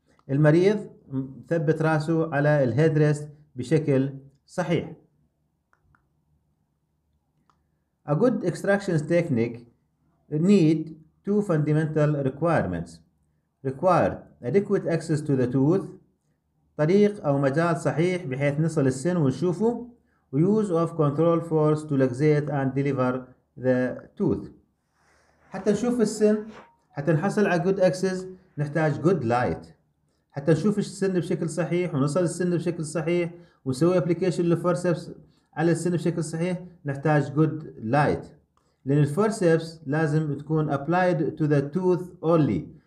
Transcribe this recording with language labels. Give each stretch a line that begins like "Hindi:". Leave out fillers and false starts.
Arabic: المريض ثبت راسه على الهيدريست بشكل صحيح.
English: A good extraction technique need two fundamental requirements. Required adequate access to the tooth.
Arabic: طريق أو مجال صحيح بحيث نصل السن ونشوفه.
English: Use of control force to laxate and deliver the tooth.
Arabic: حتى نشوف السن، حتى نحصل على good access نحتاج good light. حتى نشوف السن بشكل صحيح ونصل السن بشكل صحيح ونسوي application للفورسبس على السن بشكل صحيح نحتاج good light. لأن الفورسبس لازم تكون
English: applied to the tooth only.